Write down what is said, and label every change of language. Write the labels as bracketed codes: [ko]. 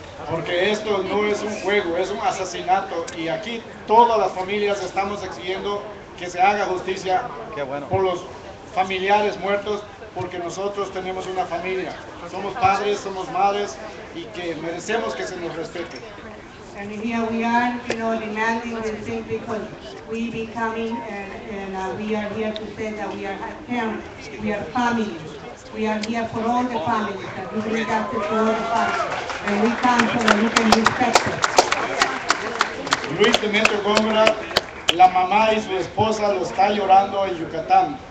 [es] Porque esto no es un juego, es un asesinato. Y aquí todas las familias estamos exigiendo que se haga justicia. Qué bueno. Por los familiares muertos, porque nosotros tenemos una familia. Somos padres, somos madres, y que merecemos que se nos respete. [en] And here we are, you know, demanding the thing because we be coming and we are here to say that we are parents, we are family. We are here for all the families, that we bring up to all the families. And we come so that we can respect them. [es] Luis Demetrio Góngora, la mamá y su esposa lo está llorando en Yucatán.